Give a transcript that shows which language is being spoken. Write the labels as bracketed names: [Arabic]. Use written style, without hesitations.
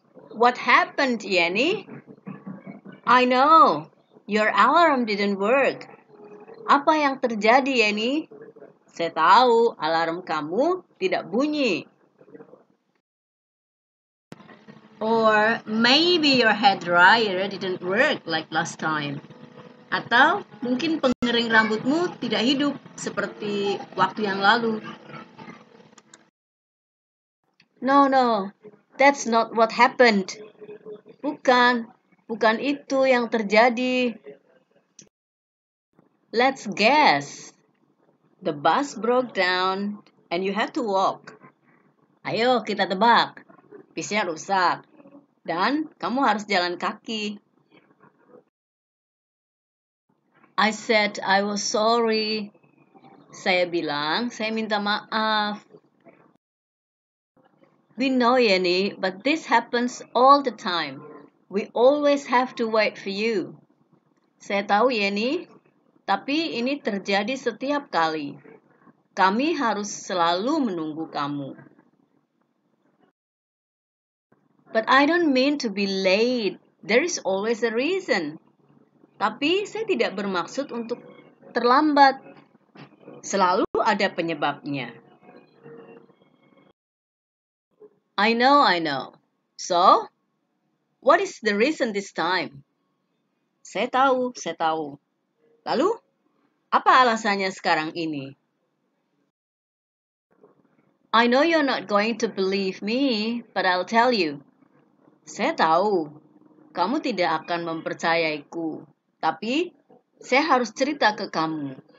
[English] What happened, Yenny? I know, your alarm didn't work. [Indonesian] Apa yang terjadi, Yenny? Saya tahu, alarm kamu tidak bunyi. [English] Or maybe your hair dryer didn't work like last time. [Indonesian] Atau mungkin pengering rambutmu tidak hidup seperti waktu yang lalu. [English] No, no, that's not what happened. [Indonesian] Bukan, bukan itu yang terjadi. [English] Let's guess. The bus broke down and you have to walk. [Indonesian] Ayo kita tebak. Bisnya rusak dan kamu harus jalan kaki. [English] I said I was sorry. [Indonesian] Saya bilang, saya minta maaf. [English] We know, Yenny, but this happens all the time. We always have to wait for you. [Indonesian] Saya tahu, Yenny, tapi ini terjadi setiap kali. Kami harus selalu menunggu kamu. [English] But I don't mean to be late. There is always a reason. [Indonesian] Tapi saya tidak bermaksud untuk terlambat. Selalu ada penyebabnya. [English] I know. So, what is the reason this time? [Indonesian] Saya tahu. Lalu, apa alasannya sekarang ini? [English] I know you're not going to believe me, but I'll tell you. [Indonesian] Saya tahu, kamu tidak akan mempercayaiku. Tapi, saya harus cerita ke kamu.